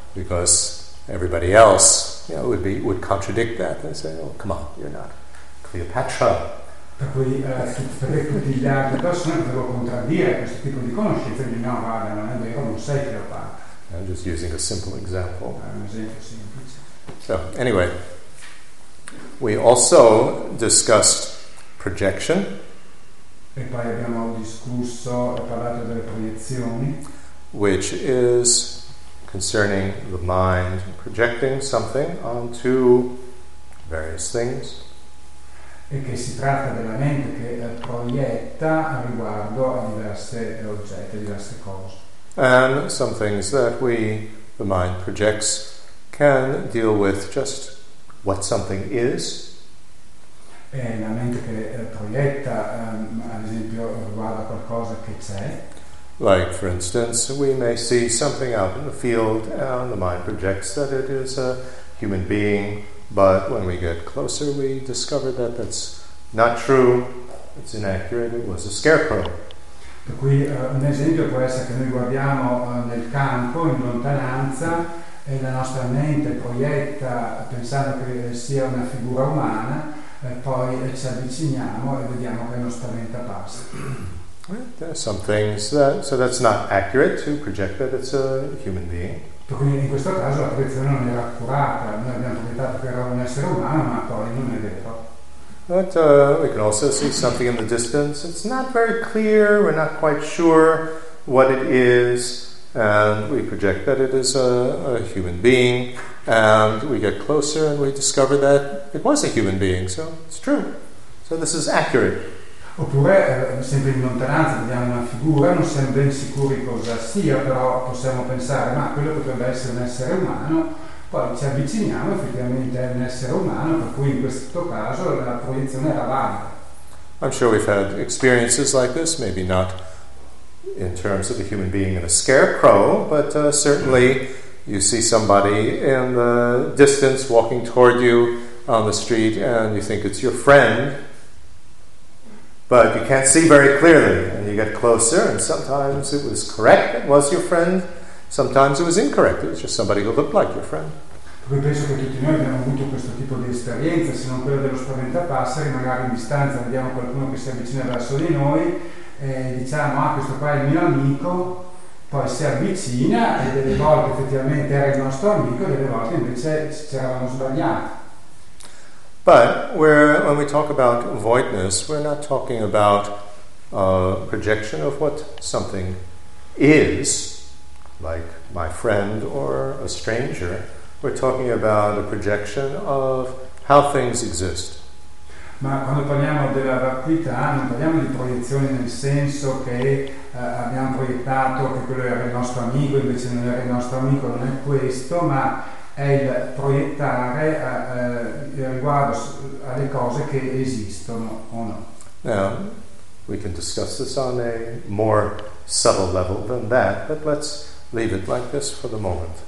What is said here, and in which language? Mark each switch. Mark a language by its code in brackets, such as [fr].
[en] Because everybody else, you know, would contradict that and say, oh, come on, you're not Cleopatra. [it] Per cui tutti gli altri persone potrebbero contraddire questo tipo di conoscenza e dire, no, guarda, non è vero, non sei Cleopatra. [en] I'm just using a simple example. [it] Un esempio semplice. [en] So, anyway, we also discussed projection. [it] E poi abbiamo discusso e parlato delle proiezioni, [en] which is concerning the mind projecting something onto various things. [it] E che si tratta della mente che proietta riguardo a diverse oggetti, diverse cose. [en] And some things that the mind projects can deal with just what something is. [it] E la mente che proietta, ad esempio, riguarda qualcosa che c'è. [en] Like, for instance, we may see something out in the field and the mind projects that it is a human being, but when we get closer we discover that that's not true, it's inaccurate, it was a scarecrow. [it] Per cui un esempio può essere che noi guardiamo nel campo, in lontananza, e la nostra mente proietta pensando che sia una figura umana, e poi ci avviciniamo e vediamo che è uno spaventapasseri. [en] Right? There are some things that, so that's not accurate to project that it's a human being. [it] Quindi in questo caso la proiezione non era accurata, noi abbiamo proiettato che era un essere umano, ma poi non è vero. [en] But we can also see something in the distance. It's not very clear, we're not quite sure what it is, and we project that it is a human being, and we get closer and we discover that it was a human being, so it's true. So this is accurate. [it] Oppure, sempre in lontananza, vediamo una figura, non siamo ben sicuri cosa sia, però possiamo pensare, ma quello potrebbe essere un essere umano. Poi ci avviciniamo, effettivamente è un essere umano, per cui in questo caso la proiezione era valida. [en] I'm sure we've had experiences like this, maybe not in terms of a human being in a scarecrow, but certainly you see somebody in the distance walking toward you on the street and you think it's your friend, but you can't see very clearly, and you get closer, and sometimes it was correct, it was your friend, sometimes it was incorrect, it was just somebody who looked like your friend. [it] Poi penso che tutti noi abbiamo avuto questo tipo di esperienza, se non quella dello spaventapasseri, magari in distanza vediamo qualcuno che si avvicina verso di noi, e diciamo, ah, questo qua è il mio amico, poi si avvicina, e delle volte effettivamente era il nostro amico, delle volte invece ci eravamo sbagliati. [en] But when we talk about voidness, we're not talking about a projection of what something is, like my friend or a stranger. We're talking about a projection of how things exist. [it] Ma quando parliamo della vacuità, non parliamo di proiezioni nel senso che abbiamo proiettato che quello era il nostro amico, invece non era il nostro amico, non è questo, ma è il proiettare riguardo alle cose che esistono o no. [en] Now, we can discuss this on a more subtle level than that, but let's leave it like this for the moment.